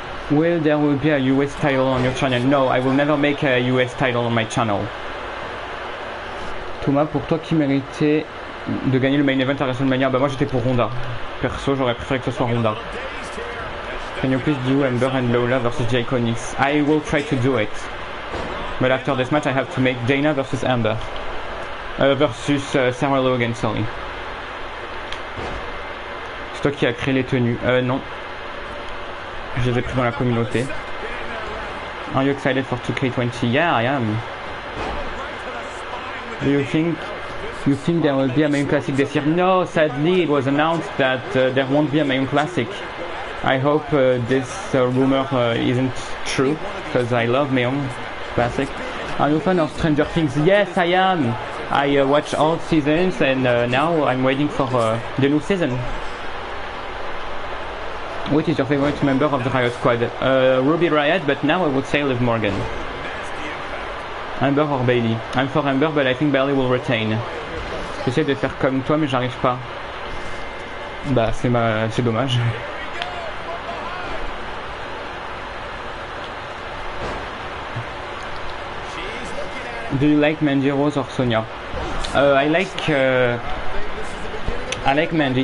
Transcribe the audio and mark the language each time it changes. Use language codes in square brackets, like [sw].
[en] Will there will be a US title on your channel? No, I will never make a US title on my channel. [fr] Thomas, pour toi, qui méritait de gagner le main event à WrestleMania? Bah, moi j'étais pour Ronda. Perso, j'aurais préféré que ce soit Ronda. [en] Can you please do Ember and Lola versus The Iconics? I will try to do it. But after this match, I have to make Dana versus Ember. Sarah Logan, sorry. [fr] C'est toi qui as créé les tenues? Non. Je les ai pris dans la communauté. [en] Are you excited for 2K20? Yeah, I am. Do you think there will be a main classic this year? No, sadly it was announced that there won't be a main classic. I hope this rumor isn't true, because I love main classic. Are you a fan of Stranger Things? Yes, I am. I watch all seasons, and now I'm waiting for the new season. Which is your favorite member of the Riot Squad? Ruby Riot, but now I would say Liv Morgan. Amber or Bailey? I'm for Amber, but I think Bailey will retain. [fr] J'essaie de faire comme toi, mais j'arrive pas. Bah, c'est dommage. [en] Do you like Mandy Rose or Sonya? I like Mandy.